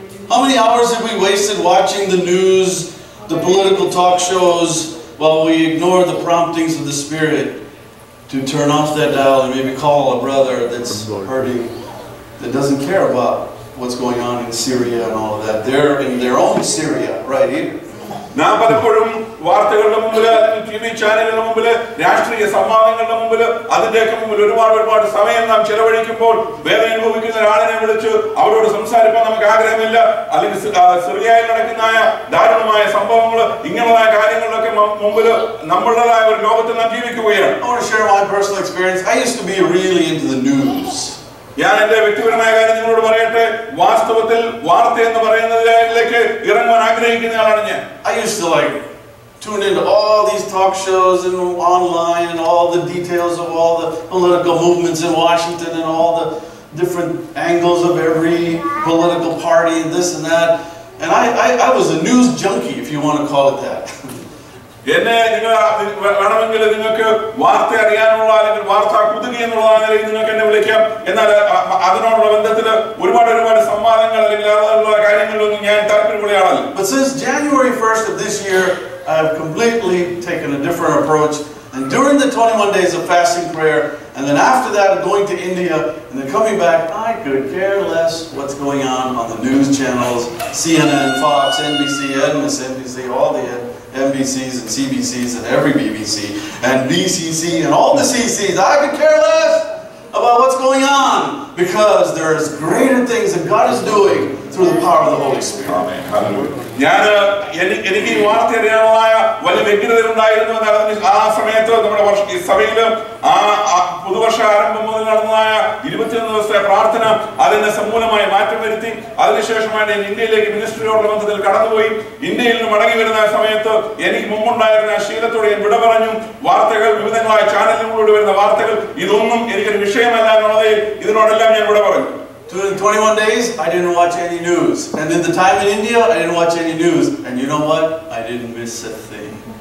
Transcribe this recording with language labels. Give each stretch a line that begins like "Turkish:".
English: How many hours have we wasted watching the news, the political talk shows, while we ignore the promptings of the Spirit to turn off that dial and maybe call a brother that's hurting, that doesn't care about what's going on in Syria and all of that. They're in their own Syria, right here. Now, but for them,
Malayalam: വാർത്തകളുടെ മുമ്പില്, T V ചാനലുകളുടെ മുമ്പില്, രാഷ്ട്രീയ സംവാദങ്ങളുടെ മുമ്പില്, അതിന്റെയൊക്കെ മുമ്പിൽ ഒരുപാട് സമയം നാം ചെലവഴിക്കുമ്പോൾ വേദന അനുഭവിക്കുന്ന ഒരാളിനെ വിളിച്ച് അവരോട് സംസാരിക്കാൻ നമുക്ക് ആഗ്രഹമില്ല. അല്ലെങ്കിൽ സിറിയയിൽ നടക്കുന്നതായ ദാരുണമായ സംഭവങ്ങൾ, ഇങ്ങനെയുള്ള കാര്യങ്ങളിലൊക്കെ മുമ്പില് നമ്മളുടേതായ ഒരു ലോകത്ത് നാം ജീവിക്കുകയാണ്. ഞാൻ എന്റെ വ്യക്തിപരമായ കാര്യം നിങ്ങളോട് പറയട്ടെ, വാസ്തവത്തിൽ വാർത്ത എന്ന് പറയുന്നതിലേക്ക് ഇറങ്ങാൻ ആഗ്രഹിക്കുന്ന ആളാണ് ഞാൻ.
English: Tune into all these talk shows and online and all the details of all the political movements in Washington and all the different angles of every political party and this and that. And I was a news junkie, if you want to call it that.
Malayalam: എന്നെ നിങ്ങൾ വേണമെങ്കിൽ നിങ്ങൾക്ക് വാർത്ത അറിയാനുള്ള അല്ലെങ്കിൽ വാർത്ത കുതുകി എന്നുള്ള നിലയിൽ നിങ്ങൾക്ക് എന്നെ വിളിക്കാം. എന്നാൽ അതിനോടുള്ള ബന്ധത്തിൽ ഒരുപാട് ഒരുപാട് സംവാദങ്ങൾ അല്ലെങ്കിൽ അതുള്ള കാര്യങ്ങളിലൊന്നും ഞാൻ താല്പര്യമുള്ള ആളല്ല.
English: But since January 1st of this year, I have completely taken a different approach. And during the 21 days of fasting prayer, and then after that of going to India, and then coming back, I could care less what's going on the news channels, CNN, Fox, NBC, MSNBC, all the NBCs and CBCs and every BBC, and BCC and all the CCs. I could care less about what's going on, because there is greater things that God is doing through the power of the Holy Spirit. Amen. Hallelujah.
Malayalam: ഞാന് എനിക്ക് ഈ വാർത്ത അറിയാനുള്ള വലിയ വ്യക്തിത ഉണ്ടായിരുന്നു എന്ന് അറിഞ്ഞ് ആ സമയത്ത് നമ്മുടെ സഭയില് ആ പുതുവർഷ ആരംഭം മുതൽ നടന്നതായ 21 ദിവസത്തെ പ്രാർത്ഥന അതിന്റെ സമൂലമായി മാറ്റം വരുത്തി. അതിനുശേഷമാണ് ഞാൻ ഇന്ത്യയിലേക്ക് മിനിസ്ട്രിയോടുള്ള ബന്ധത്തിൽ കടന്നുപോയി. ഇന്ത്യയിൽ നിന്ന് മടങ്ങി വരുന്ന സമയത്ത് എനിക്ക് മുമ്പുണ്ടായിരുന്ന ശീലത്തോടെ ഞാൻ വിട പറഞ്ഞു. വാർത്തകൾ, വിവിധങ്ങളായ ചാനലുകളിലൂടെ വരുന്ന വാർത്തകൾ, ഇതൊന്നും എനിക്കൊരു വിഷയമല്ല എന്നുള്ളതിൽ ഇതിനോടെല്ലാം ഞാൻ വിട പറഞ്ഞു.
English: During 21 days, I didn't watch any news. And in the time in India, I didn't watch any news. And you know what? I didn't miss a thing.